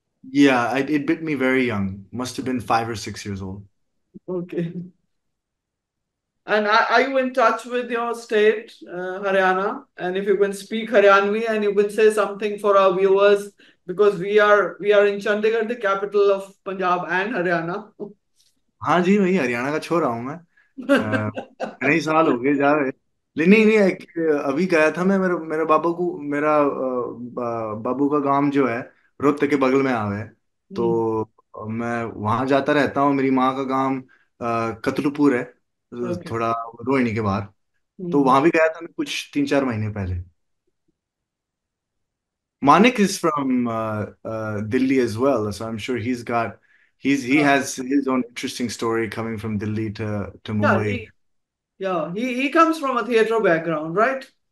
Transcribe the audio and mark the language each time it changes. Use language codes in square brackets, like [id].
[en] Yeah, it bit me very young. Must have been 5 or 6 years old. Okay. And are you in touch with your state, Haryana? And if you can speak Haryanvi and you can say something for our viewers, because we are in Chandigarh, the capital of Punjab and Haryana. [hi] हाँ जी, वही हरियाणा का छोड़ रहा हूँ मैं। कई अच्छा साल हो गए जा रहे। नहीं, अभी गया था मैं। मेरे बाबू को मेरा बाबू का गांव जो है रोहतक के बगल में आवे, तो मैं वहां जाता रहता हूँ। मेरी माँ का गांव कतलुपुर है, थोड़ा रोहिणी के बाहर, तो वहां भी गया था मैं कुछ 3 4 महीने पहले। [en] Manik is from Delhi as well, so I am sure he's got He's he has his own interesting story coming from Delhi to Yeah, Mumbai. he comes from a theatre background, right?